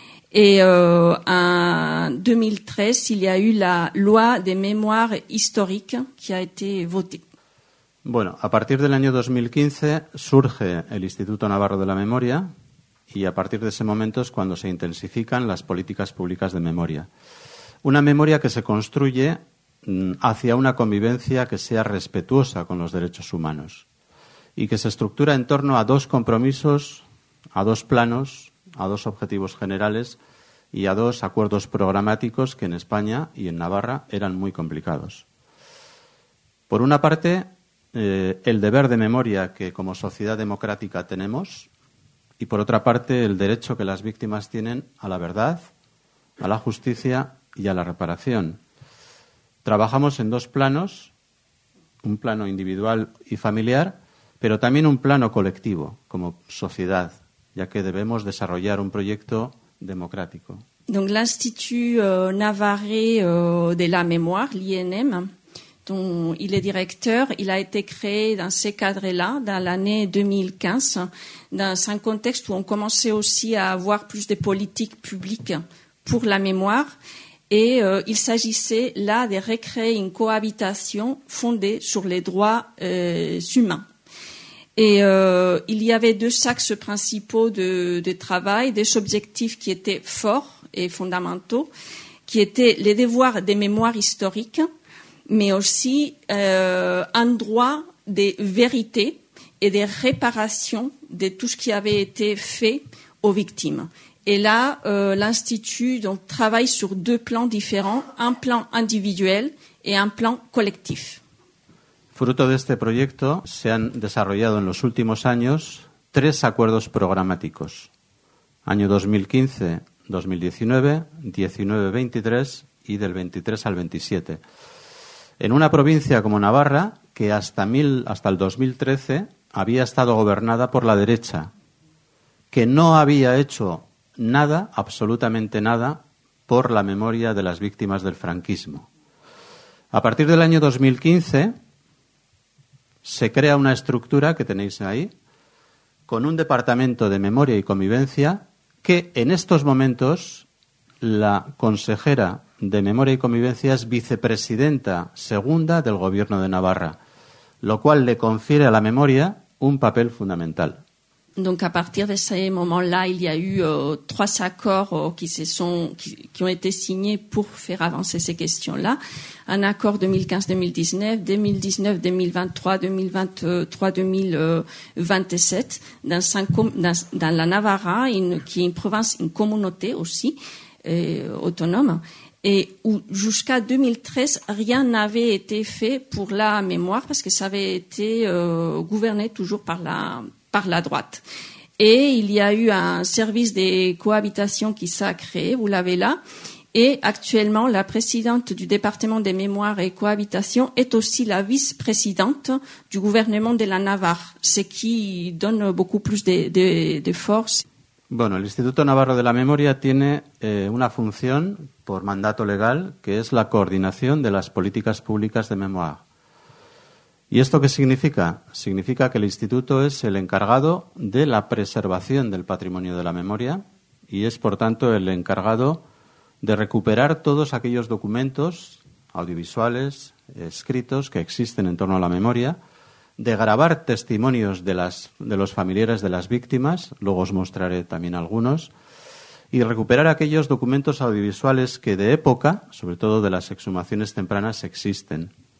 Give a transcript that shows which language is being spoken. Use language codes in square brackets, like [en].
[fr] Et en 2013, il y a eu la loi des mémoires historiques qui a été votée. [es] Bueno, [fr] à partir de l'année [es] 2015, surge l'Institut Navarro de la Memoria. Y a partir de ese momento es cuando se intensifican las políticas públicas de memoria. Una memoria que se construye hacia una convivencia que sea respetuosa con los derechos humanos y que se estructura en torno a dos compromisos, a dos planos, a dos objetivos generales y a dos acuerdos programáticos que en España y en Navarra eran muy complicados. Por una parte, el deber de memoria que como sociedad democrática tenemos. Y por otra parte, el derecho que las víctimas tienen a la verdad, a la justicia y a la reparación. Trabajamos en dos planos, un plano individual y familiar, pero también un plano colectivo como sociedad, ya que debemos desarrollar un proyecto democrático. [fr] Donc l'Institut Navarré de la Mémoire, l'INM, dont il est directeur, il a été créé dans ce cadre-là, dans l'année 2015, dans un contexte où on commençait aussi à avoir plus de politiques publiques pour la mémoire. Et il s'agissait là de recréer une cohabitation fondée sur les droits humains. Et il y avait deux axes principaux de travail, des objectifs qui étaient forts et fondamentaux, qui étaient les devoirs des mémoires historiques, mais aussi un droit de vérité et de réparation de tout ce qui avait été fait aux victimes. Et là, l'Institut donc, travaille sur deux plans différents, un plan individuel et un plan collectif. [es] Fruto de este proyecto, se han desarrollado en los últimos años tres acuerdos programáticos. Año 2015, 2019, 19-23 y del 23 al 27. en una provincia como Navarra, que hasta el 2013 había estado gobernada por la derecha, que no había hecho nada, absolutamente nada, por la memoria de las víctimas del franquismo. A partir del año 2015 se crea una estructura que tenéis ahí, con un departamento de memoria y convivencia, que en estos momentos la consejera de memoria y convivencia es vicepresidenta segunda del gobierno de Navarra, lo cual le confiere a la memoria un papel fundamental. [fr] Donc à partir de ce moment-là, il y a eu trois accords qui ont été signés pour faire avancer ces questions-là. Un accord 2015-2019, 2019-2023, 2023-2027, dans la Navarra, qui est une province, une communauté aussi, autonome, et où jusqu'à 2013, rien n'avait été fait pour la mémoire, parce que ça avait été gouverné toujours par la droite. Et il y a eu un service des cohabitations qui s'est créé, vous l'avez là, et actuellement la présidente du département des mémoires et cohabitations est aussi la vice-présidente du gouvernement de la Navarre, ce qui donne beaucoup plus de force. [es] Bueno, el Instituto Navarro de la Memoria tiene una función por mandato legal, que es la coordinación de las políticas públicas de memoria. ¿Y esto qué significa? Significa que el Instituto es el encargado de la preservación del patrimonio de la memoria y es, por tanto, el encargado de recuperar todos aquellos documentos audiovisuales, escritos, que existen en torno a la memoria, de grabar testimonios de los familiares de las víctimas, luego os mostraré también algunos, y recuperar aquellos documentos audiovisuales que de época, sobre todo de las exhumaciones tempranas, existen.